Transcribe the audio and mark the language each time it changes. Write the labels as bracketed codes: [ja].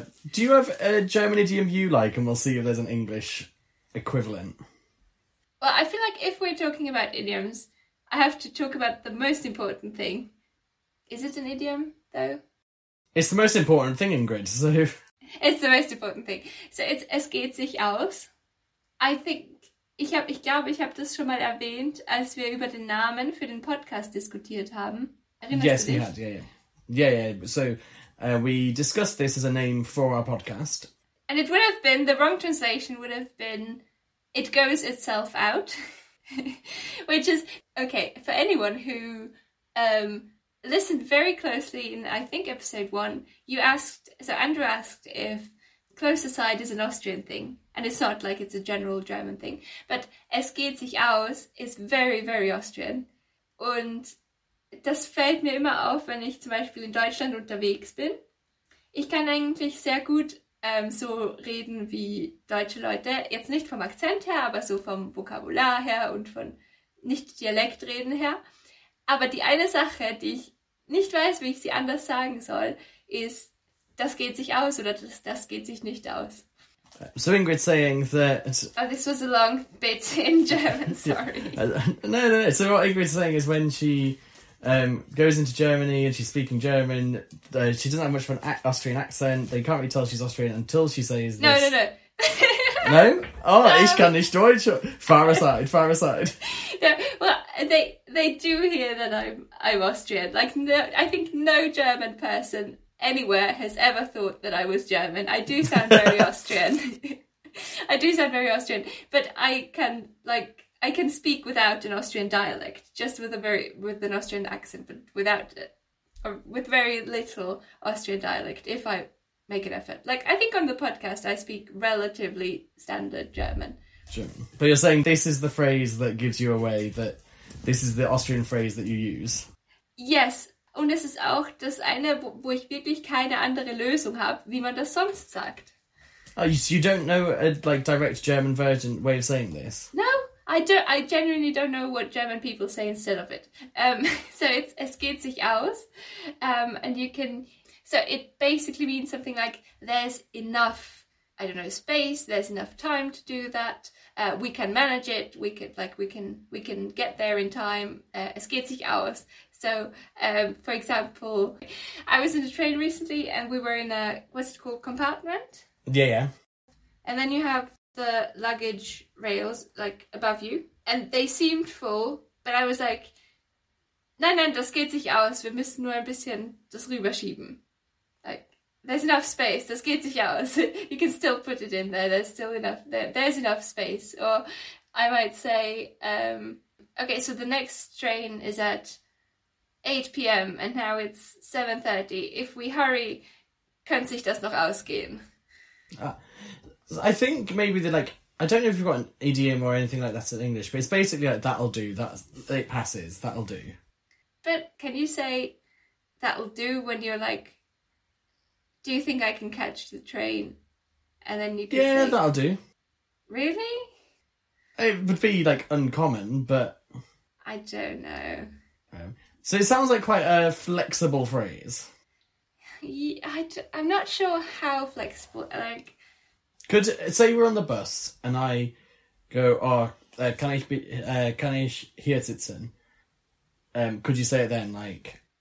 [en] Do you have a German idiom you like, and we'll see if there's an English equivalent? Well, I feel like if we're talking about idioms, I have to talk about the most important thing. Is it an idiom, though? It's the most important thing, Ingrid, so... It's the most important thing. So it's [de] es geht sich aus. [en] I think, [de] ich glaube, ich habe das schon mal erwähnt, als wir über den Namen für den Podcast diskutiert haben. Erinnerst du dich? [en] Yes, we had, yeah. So we discussed this as a name for our podcast. And it would have been, the wrong translation would have been, it goes itself out. Which is, okay, for anyone who... listened very closely in, I think, episode one. You asked, so Andrew asked if close aside is an Austrian thing, and it's not, like, it's a general German thing, but [de] es geht sich aus [en] is very, very Austrian. [de] Und das fällt mir immer auf, wenn ich zum Beispiel in Deutschland unterwegs bin. Ich kann eigentlich sehr gut so reden wie deutsche Leute, jetzt nicht vom Akzent her, aber so vom Vokabular her und von nicht Dialektreden her. Aber die eine Sache, die ich nicht weiß, wie ich sie anders sagen soll, ist, das geht sich aus oder das geht sich nicht aus. [en] So Ingrid's saying that... Oh, this was a long bit in German, sorry. Yeah. No. So what Ingrid's saying is when she goes into Germany and she's speaking German, she doesn't have much of an Austrian accent, they can't really tell she's Austrian until she says this. No. No? [de] Oh, ich kann nicht Deutsch. [en] Far aside. They do hear that I'm Austrian. Like, no, I think no German person anywhere has ever thought that I was German. I do sound very Austrian. I do sound very Austrian. But I can speak without an Austrian dialect, just with an Austrian accent, but with very little Austrian dialect, if I make an effort. Like, I think on the podcast I speak relatively standard German. Sure. But you're saying this is the phrase that gives you away that... This is the Austrian phrase that you use. [de] Yes, und es ist auch das eine, wo ich wirklich keine andere Lösung habe, wie man das sonst sagt. [en] Oh, so you don't know a like direct German version way of saying this? No, I don't. I genuinely don't know what German people say instead of it. So it's [de] es geht sich aus, [en] and you can. So it basically means something like there's enough. I don't know, space, there's enough time to do that, we can manage it, we can get there in time, [de] es geht sich aus. [en] So, for example, I was in a train recently and we were in a, what's it called, compartment? Yeah. And then you have the luggage rails, like, above you, and they seemed full, but I was like, [de] nein, das geht sich aus, wir müssen nur ein bisschen das rüberschieben. [en] There's enough space, [de] das geht sich aus. [en] You can still put it in there, there's still enough, there's enough space. Or I might say, okay, so the next train is at 8 p.m. and now it's 7:30. If we hurry, [de] könnte sich das noch ausgehen? [en] I think maybe they're like, I don't know if you've got an idiom or anything like that in English, but it's basically like, that'll do, it passes, that'll do. But can you say, that'll do when you're like, do you think I can catch the train? And then you could say... that'll do. Really? It would be, like, uncommon, but... I don't know. So it sounds like quite a flexible phrase. Yeah, I'm not sure how flexible, like... Could, say we're on the bus, and I go, oh, [de] kann ich hier sitzen? [en] Could you say it then, like...